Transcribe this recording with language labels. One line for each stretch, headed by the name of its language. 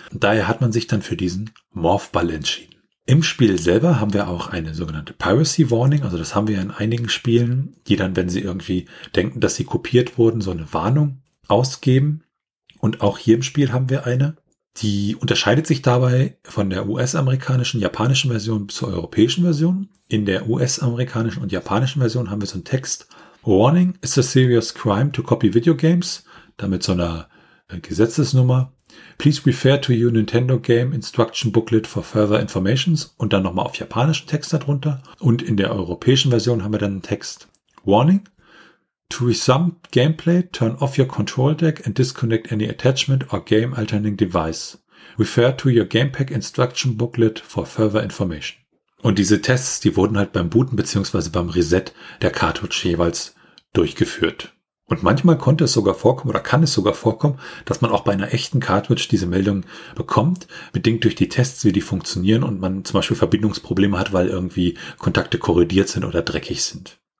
German: Und daher hat man sich dann für diesen Morphball entschieden. Im Spiel selber haben wir auch eine sogenannte Piracy Warning, also das haben wir in einigen Spielen, die dann, wenn sie irgendwie denken, dass sie kopiert wurden, so eine Warnung ausgeben. Und auch hier im Spiel haben wir eine. Die unterscheidet sich dabei von der US-amerikanischen, japanischen Version zur europäischen Version. In der US-amerikanischen und japanischen Version haben wir so einen Text.
English: Warning, it's a serious crime to copy video games.
German: Damit so einer Gesetzesnummer.
English: Please refer to your Nintendo Game Instruction Booklet for further informations.
German: Und dann nochmal auf japanischen Text darunter. Und in der europäischen Version haben wir dann einen Text.
English: Warning. To resume gameplay, turn off your control deck and disconnect any attachment or game altering device. Refer to your GamePack instruction booklet for further information.
German: Und diese Tests, die wurden halt beim Booten bzw. beim Reset der Cartridge jeweils durchgeführt. Und manchmal konnte es sogar vorkommen oder kann es sogar vorkommen, dass man auch bei einer echten Cartridge diese Meldung bekommt, bedingt durch die Tests, wie die funktionieren und man zum Beispiel Verbindungsprobleme hat, weil irgendwie Kontakte korrodiert sind oder dreckig sind.